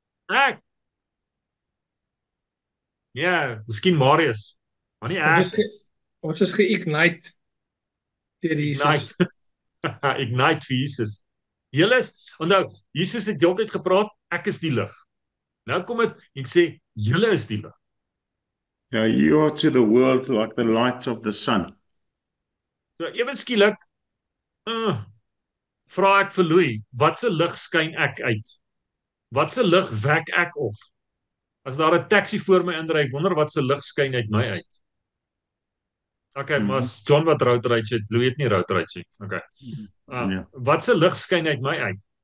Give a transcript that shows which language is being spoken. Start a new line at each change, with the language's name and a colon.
Afrikaans: Ek Ja, miskien Marius. Maar nie ek. Ons is ge-ignite deur Jesus. Ignite vir Jesus. Julle is, onthou, Jesus het heeltyd gepraat, ek is die lig. Nou kom dit en sê julle is die lig.
English: Ja, you are to the world like the light of the sun.
Afrikaans: So ewe skielik vra ek vir Louis, watse lig skyn ek uit? Watse lig wek ek op? As daar 'n taxi voor my indry, ek wonder wat se lig skyn uit my uit. Okay, mas John wat rout ry, jy weet nie rout ry nie. Okay. Wat se lig skyn uit my uit?